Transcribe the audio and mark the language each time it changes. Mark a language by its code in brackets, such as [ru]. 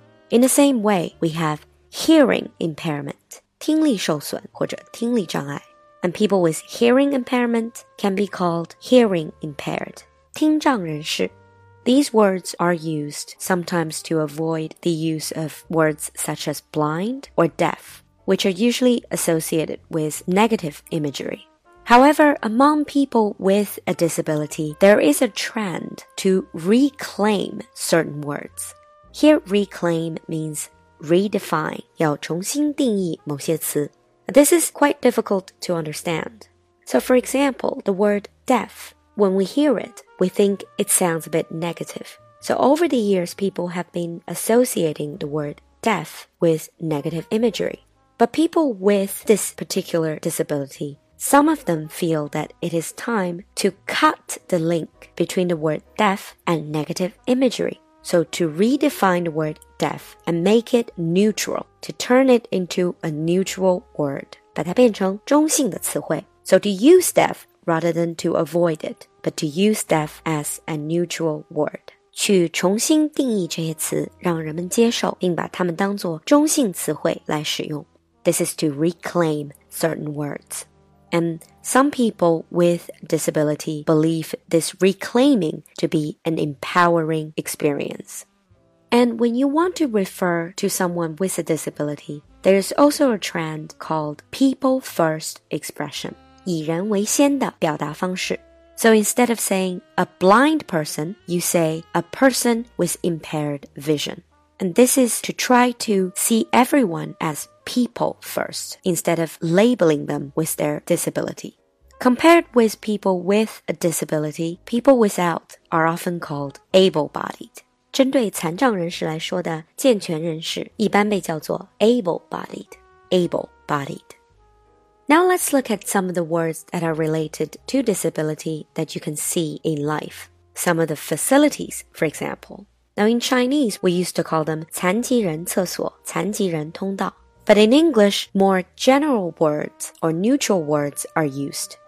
[en] In the same way, we have hearing impairment. [zh] 听力受损或者听力障碍 [en] And people with hearing impairment can be called hearing impaired [zh] 听障人士 [en] These words are used sometimes to avoid the use of words such as blind or deaf, which are usually associated with negative imagery. However, among people with a disability, there is a trend to reclaim certain words. Here, reclaim meansredefine, [zh] 要重新定义某些词。 [en] This is quite difficult to understand. So for example, the word deaf, when we hear it, we think it sounds a bit negative. So over the years, people have been associating the word deaf with negative imagery. But people with this particular disability, some of them feel that it is time to cut the link between the word deaf and negative imagery. So to redefine the word deaf and make it neutral, to turn it into a neutral word, [zh] 把它变成中性的词汇。 [en] So to use deaf rather than to avoid it, but to use deaf as a neutral word. [zh] 去重新定义这些词让人们接受并把它们当作中性词汇来使用。 [en] This is to reclaim certain words. And some people with disability believe this reclaiming to be an empowering experience. And when you want to refer to someone with a disability, there's also a trend called people first expression. [zh] 以人为先的表达方式。 [en] So instead of saying a blind person, you say a person with impaired vision. And this is to try to see everyone as people first instead of labeling them with their disability. Compared with people with a disability, people without are often called able-bodied. [zh] 针对残障人士来说的健全人士一般被叫做 able-bodied, [en] able-bodied. Now let's look at some of the words that are related to disability that you can see in life. Some of the facilities, for example. Now in Chinese, we used to call them [zh] 残疾人厕所残疾人通道 [en] But in English, more general words or neutral words are used.